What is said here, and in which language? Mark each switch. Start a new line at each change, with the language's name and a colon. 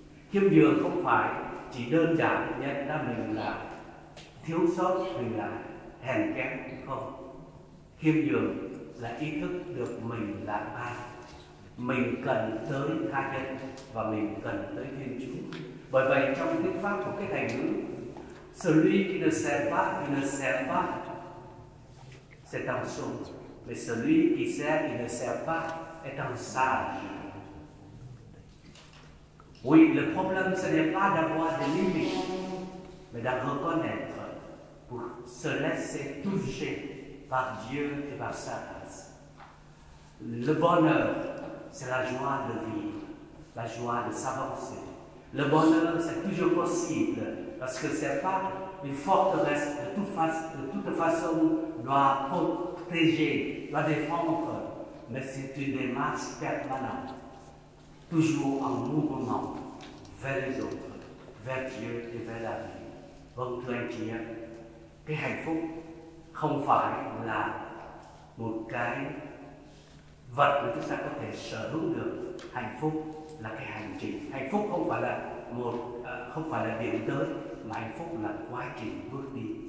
Vietnamese: Khiêm nhường không phải chỉ đơn giản nhận ra mình là thiếu sót, mình là hèn kém, không. Khiêm nhường là ý thức được mình là ai, mình cần tới tha nhân và mình cần tới Thiên Chúa. Bởi vậy trong tiếng Pháp có cái thành ngữ
French: celui qui ne sait pas,
Vietnamese: il ne sait pas.
French: C'est un sot. Mais celui qui sait, il ne sait pas, est un sage. Oui, le problème ce n'est pas d'avoir des limites, mais de reconnaître pour se laisser toucher par Dieu et par sa grâce. Le bonheur, c'est la joie de vivre, la joie de s'avancer. Le bonheur, c'est toujours possible, parce que c'est pas une forteresse de toute façon doit protéger, doit défendre, mais c'est une démarche permanente, toujours en mouvement vers les autres, vers Dieu et vers la vie.
Vietnamese: Vâng thưa anh chị em, cái hạnh phúc không phải là một cái vật mà chúng ta có thể sở hữu được. Hạnh phúc là cái hành trình. Hạnh phúc không phải là một không phải là điểm tới, mà hạnh phúc là quá trình bước đi.